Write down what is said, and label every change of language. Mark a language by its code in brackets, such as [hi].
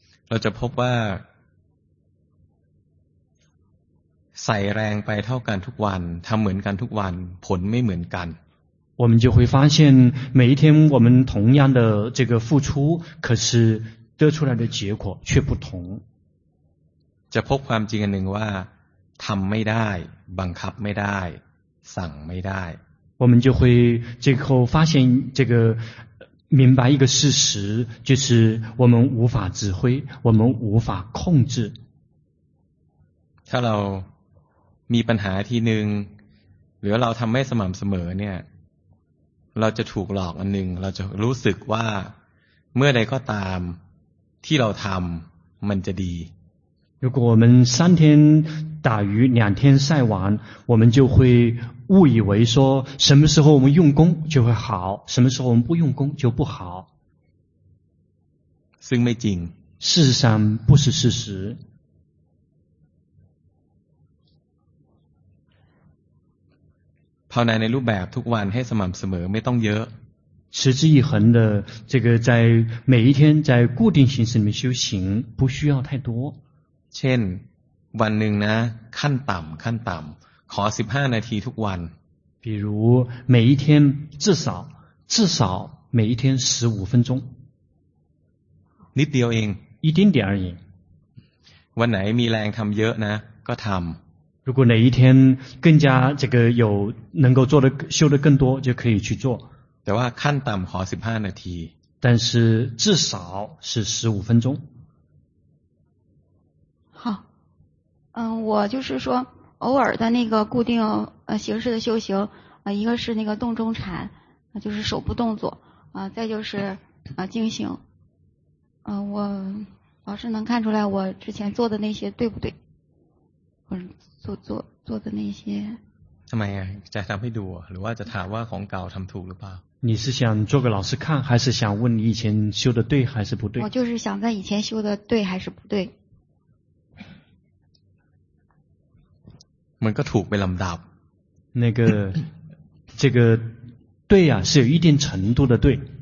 [th] เราจะพบว่าใส่แรงไปเท่ากันทุกวันทำเหมือนกันทุกวันผลไม่เหมือนกัน [zh] 我们就会发现每一天我们同样的这个付出可是得出来的结果却不同 [th] จะพบความจริงอันหนึ่งว่าทำไม่ได้บังคับไม่ได้สั่งไม่ได้ [zh] 我们就会最后发现这个明白一个事实就是我们无法指挥我们无法控制 [th] ถ้าเรามีปัญหาทีหนึ่งหรือเราทำไม่สม่ำเสมอเนี่ยเราจะถูกหลอกอันหนึ่งเราจะรู้สึกว่าเมื่อใดก็ตามที่เราทำมันจะดี [zh] 如果我们三天打鱼两天晒网我们就会误以为说什么时候我们用功就会好什么时候我们不用功就不好 [th] ซึ่งไม่จริง [zh] 事实上不是事实 [th] ภาวนาในรูปแบบทุกวันให้สม่ำเสมอไม่ต้องเยอะ [zh] 持之以恒的这个在每一天在固定形式里面修行不需要太多 [th] เช่นวันหนึ่งนะขั้นต่ำขั้นต่ำขอ15นาทีทุกวัน [zh] 比如每一天至少每一天15分钟 [th] นิดเดียวเอง [zh] 一丁点而已 [th] วันไหนมีแรงทำเยอะนะก็ทำ [zh] 如果哪一天更加这个有能够做的修的更多就可以去做 [th] แต่ว่าขั้นต่ำขอ15นาที [zh] 但是至少是15分钟嗯，我就是说，偶尔的那个固定形式的修行，一个是那个动中禅，就是手部动作，再就是静行。我老师能看出来我之前做的那些对不对？或者做的那些。 [th] ทำไมจะทำให้ดูหรือว่าจะถามว่าของเก่าทำถูกหรือเปล่า？ [zh] 你是想做个老师看，还是想问你以前修的对还是不对？我就是想在以前修的对还是不对。 [th] มันก็ถูกไปลำดับ [zh] 那个这个对呀是有一定程度的对